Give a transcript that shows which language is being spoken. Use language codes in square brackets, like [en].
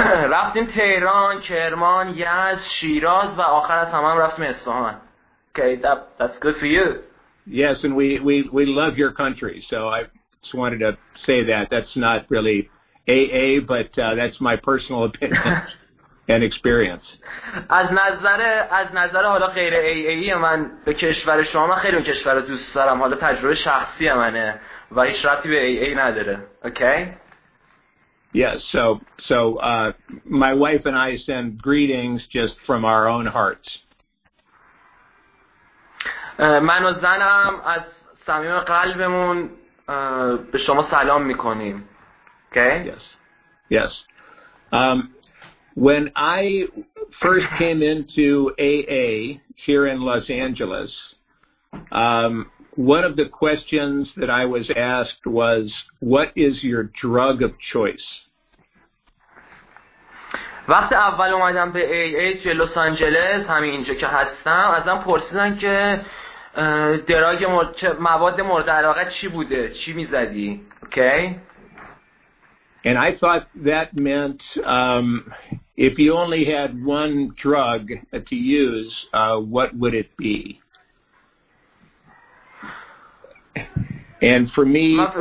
[fa] رفتیم تهران، کرمان، یزد، شیراز و آخر از همه رفتیم اصفهان. [en] Okay, that's good for you. Yes, and we love your country. So I just wanted to say that. That's not really AA, but that's my personal opinion. and experience. [fa] از نظر حالا غیر AAE من به کشور شما من خیلی اون کشور رو دوست دارم. حالا تجربه شخصی منه و هیچ ربطی به AAE نداره. [en] Okay? Yes, so my wife and I send greetings just from our own hearts. [fa] من و زنم از صمیم قلبمون به شما سلام میکنیم. [en] Okay? Yes. When I first came into AA here in Los Angeles, one of the questions that I was asked was, what is your drug of choice? [fa] وقتی اول اومدم به AA توی لس آنجلس همین اینجا که هستم ازم پرسیدن که دراگ مواد مورد علاقه چی بوده چی می‌زدی اوکی [en] okay. And I thought that meant if you only had one drug to use what would it be And for me